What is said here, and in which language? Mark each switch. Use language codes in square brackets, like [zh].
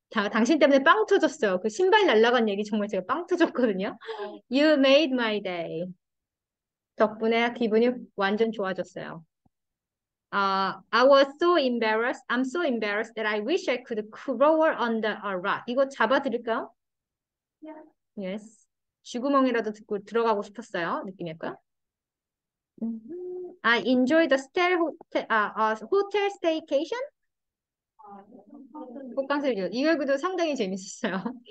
[ko] 당신 때문에 빵 터졌어요. 그 신발 날라간 얘기 정말 제가 빵 터졌거든요. [en] You made my day. [ko] 덕분에 기분이 완전 좋아졌어요. [en] I was so embarrassed. I'm so embarrassed that I wish I could crawl under a rock. [ko] 이거 잡아드릴까요? Yes. 쥐구멍이라도 듣고 들어가고 싶었어요. 느낌일까요? [en] I enjoy the hotel staycation. [ko] 호캉스를 이거도 상당히 재밌었어요.